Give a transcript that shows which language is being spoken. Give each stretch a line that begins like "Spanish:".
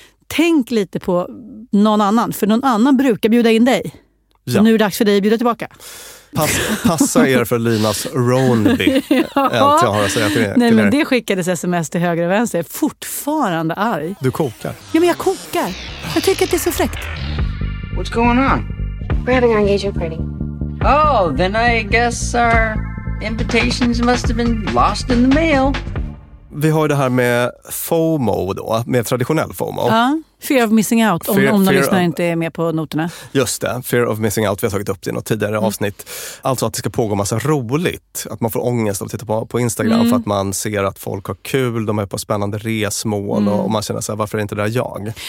Swedish: Tänk lite på någon annan. För någon annan brukar bjuda in dig. Ja. Så nu är det dags för dig att bjuda tillbaka. Passa er för Linas Roneby. Ja. Allt jag har att säga till er. Nej, men det skickades sms till höger och vänster. Jag är fortfarande arg. Du kokar. Ja, men jag kokar. Jag tycker att det är så fräckt.
English: What's going on? We're having an engagement party. Oh, then I guess our invitations must have been lost in the mail.
Swedish: Vi har ju det här med FOMO då, med traditionell FOMO. Ja,
English: fear of missing out,
Swedish: om någon lyssnar inte är med på noterna. Just det,
English: fear of missing out,
Swedish: vi har tagit upp det i något tidigare avsnitt. Alltså att det ska pågå massa roligt, att man får ångest av att titta på Instagram för att man ser att folk har kul, de är på spännande resmål och man känner sig, varför är inte det jag?